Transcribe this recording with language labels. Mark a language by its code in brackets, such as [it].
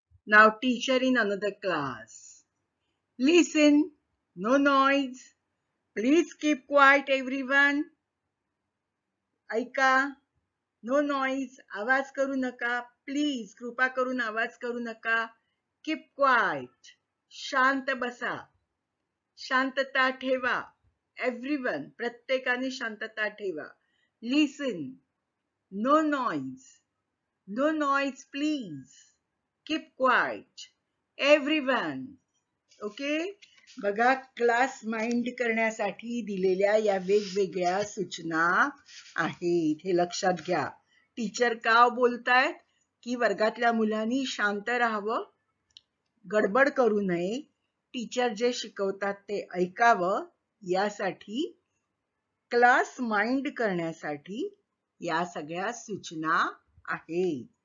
[en] Now teacher in another class, listen, no noise, please keep quiet everyone. [mr] ऐका, [en] no noise, [mr] आवाज करू नका, please कृपा करून आवाज करू नका. [en] keep quiet, [mr] शांत बसा, शांतता ठेवा. एवरीवन, प्रत्येकाने शांतता ठेवा. [en] Listen, no noise, no noise please, keep quiet everyone. [mr] Okay, बघा क्लास माइंड करण्यासाठी दिलेल्या या वेगवेगळ्या सूचना आहेत, हे लक्षात घ्या. टीचर का बोलतायत की वर्गातल्या मुलांनी शांत राहावं, गडबड करू नये, टीचर जे शिकवतात ते ऐकावं, यासाठी क्लास माइंड करण्यासाठी या सगळ्या सूचना आहेत.